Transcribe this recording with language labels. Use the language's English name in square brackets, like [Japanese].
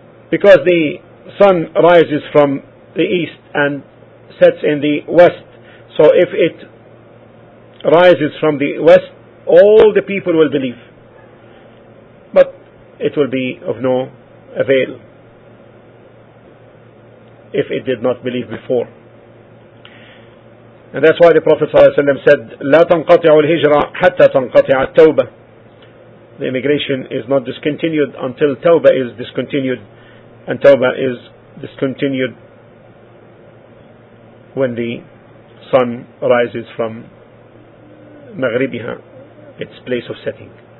[English] Because the sun rises from the east and sets in the west, so if it rises from the west, all the people will believe, but it will be of no avail if it did not believe before. And that's why the Prophet ﷺ said, [Arabic] لا تنقطع الهجرة حتى تنقطع التوبة. [English] The immigration is not discontinued until توبة is discontinued. And توبة is discontinued when the sun rises from مغربها, its place of setting.